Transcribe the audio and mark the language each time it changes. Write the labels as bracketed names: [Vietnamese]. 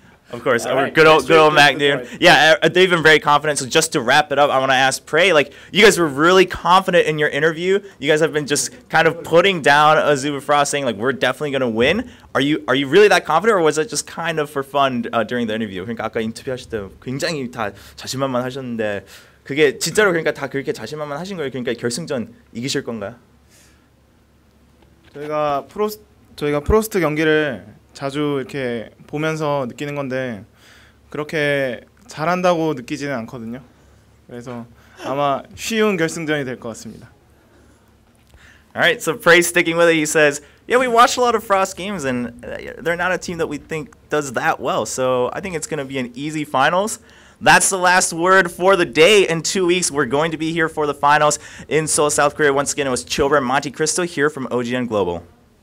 [English] Of course, all right. good old Magnum. Yeah, they've been very confident. So just to wrap it up, I want to ask Prey, like, you guys were really confident in your interview. You guys have been just kind of putting down Azubifrost, saying, like, we're definitely going to win. Are you really that confident, or was it just kind of for fun during the interview? [Korean] 그러니까 아까 인터뷰하실 때 굉장히 다 자신만만 하셨는데 그게 진짜로 그러니까 다 그렇게 자신만만 하신 거예요? 그러니까 결승전 이기실 건가요? 저희가 프로스트 경기를 자주 이렇게 보면서 느끼는 건데 그렇게 잘한다고 느끼지는 않거든요. 그래서 아마 쉬운 결승전이 될 것 같습니다. [English] All right, so Prey sticking with it, he says, yeah, we watch a lot of Frost games, and they're not a team that we think does that well. So I think it's going to be an easy finals. That's the last word for the day. In 2 weeks, we're going to be here for the finals in Seoul, South Korea. Once again, it was Chilbert and Monte Cristo here from OGN Global.